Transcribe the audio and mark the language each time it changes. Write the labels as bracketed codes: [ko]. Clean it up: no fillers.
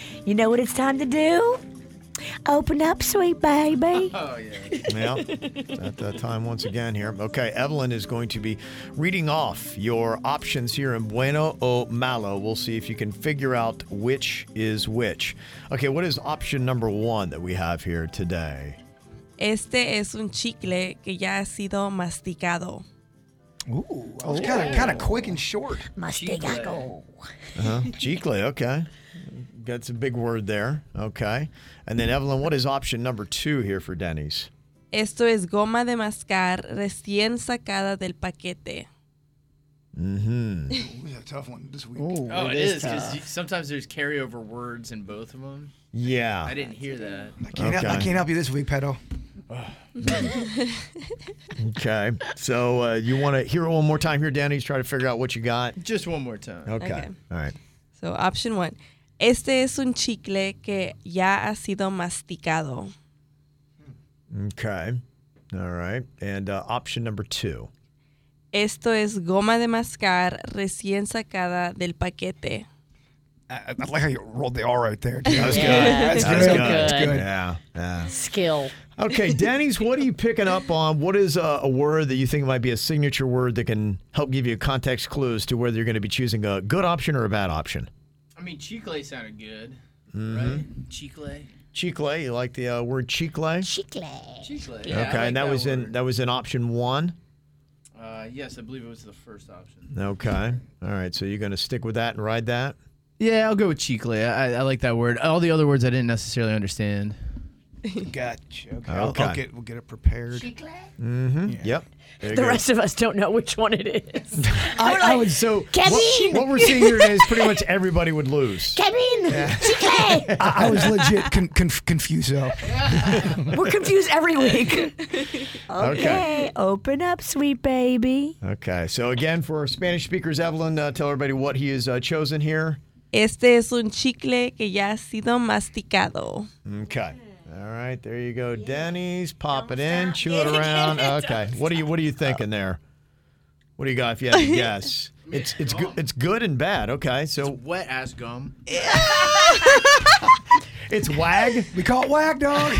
[en] You know what it's time to do? Open up, sweet baby. Oh, yeah. Yeah. It's at that time once again here. Okay, Evelyn is going to be reading off your options here in Bueno o Malo. We'll see if you can figure out which is which. Okay, what is option number 1 that we have here today? [es] Este es un chicle que ya ha sido masticado. [en] Ooh, it's kind of quick and short. [es] Masticado. [en] Chicle, okay. That's a big word there. Okay. And then, Evelyn, what is option number 2 here for Denny's? [es] Esto es goma de mascar recién sacada del paquete. Mm-hmm. [en] Ooh, that's a tough one this week. Ooh, oh, it is, because sometimes there's carryover words in both of them. Yeah. I didn't hear that. I can't help you this week, pedo. Okay. So you want to hear it one more time here, Danny? Try to figure out what you got. Just one more time. Okay. All right. So option 1. [es] Este es un chicle que ya ha sido masticado. [en] Okay. All right. And option number 2. [es] Esto es goma de mascar recién sacada del paquete. [en] I like how you rolled the R right there. That's good. Yeah. That's good. Yeah. Skill. Okay, Danny's, what are you picking up on? What is a word that you think might be a signature word that can help give you context clues to whether you're going to be choosing a good option or a bad option? I mean, chicle sounded good, right? Chicle. Chicle. You like the word chicle? [es] Chicle. Chicle. [en] Yeah, okay, like, and that was in option 1. Yes, I believe it was the first option. Okay. All right, so you're going to stick with that and ride that? Yeah, I'll go with chicle. I like that word. All the other words I didn't necessarily understand. Gotcha. Okay. Okay. We'll get it prepared. [es] Chicle? [en] Mm-hmm. Yeah. Yep. The go. Rest of us don't know which one it is. I would so. Kevin! What we're seeing here is pretty much everybody would lose. Kevin! Chicle! Yeah. I was legit confused, though. We're confused every week. Okay. Okay. Open up, sweet baby. Okay. So, again, for our Spanish speakers, Evelyn, tell everybody what he has chosen here. [es] Este es un chicle que ya ha sido masticado. [en] Okay. All right, there you go. Yeah. Denny's, pop don't it in, stop. Chew it around. Okay. What are you thinking there? What do you got if you had to guess? It's good and bad. Okay. So it's wet ass gum. It's wag. We call it wag, dog.